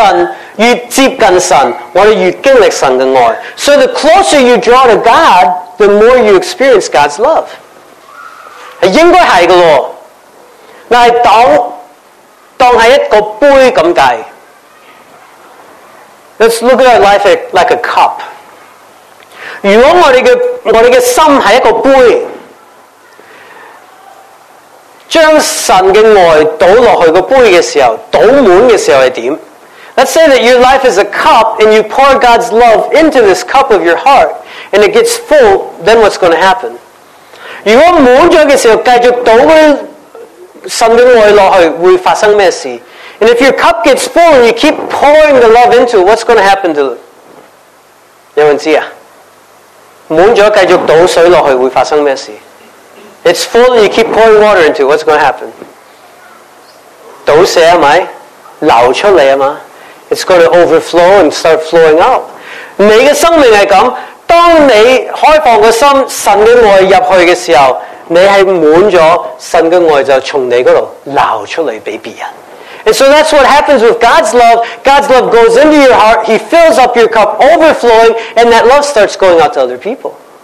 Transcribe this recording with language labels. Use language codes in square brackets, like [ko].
[zh] 所以我们越亲近神，越接近神， 我们越经历神的爱. [en] So the closer you draw to God, the more you experience God's love. [zh] 应该是的咯. 但是当是一个杯这样计, [en] let's look at our life like a cup. [zh] 如果我们的心是一个杯, 将神的爱倒下去的杯的时候, 倒满的时候是怎样? [en] Let's say that your life is a cup and you pour God's love into this cup of your heart and it gets full, then what's going to happen? [zh] 如果满了的时候继续倒满, 神的爱下去会发生什么事? [en] And if your cup gets full and you keep pouring the love into it, what's going to happen to it? [zh] 有人知道? 满了继续倒水下去会发生什么事? [en] It's full and you keep pouring water into it, what's going to happen? [zh] 倒水是吗?流出来吗? [en] It's going to overflow and start flowing out. [zh] 你的生命是这样, 当你开放个心, 神的爱进去的时候, 你是满了神的爱就从你那里流出来给别人。 [en] And so that's what happens with God's love. God's love goes into your heart, He fills up your cup overflowing, and that love starts going out to other people.